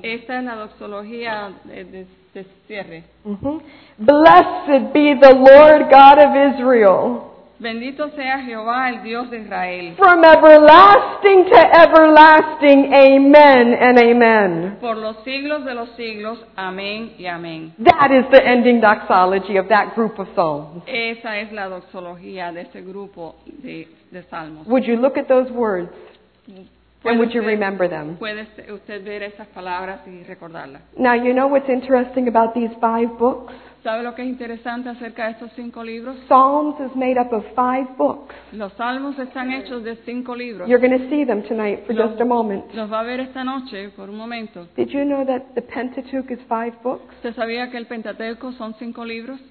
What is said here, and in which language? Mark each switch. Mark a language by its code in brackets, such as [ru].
[es] Esta es la doxología de cierre. [en] Blessed be the Lord God of Israel. [es] Bendito sea Jehová, el Dios de Israel. [en] From everlasting to everlasting, amen and amen. [es] Por los siglos de los siglos, amén y amén. [en] That is the ending doxology of that group of psalms. [es] Esa es la doxología de ese grupo de salmos. [en] Would you look at those words? And would you remember them? [es] ¿Puede usted ver esas palabras y recordarlas? [en] Now, you know what's interesting about these five books? [es] ¿Sabe lo que es interesante acerca de estos cinco libros? [en] Psalms is made up of five books. [es] Los salmos están hechos de cinco libros. [en] You're going to see them tonight for just a moment. [es] Los va a ver esta noche por un momento. [en] Did you know that the Pentateuch is five books? [es] ¿Se sabía que el Pentateuco son cinco libros?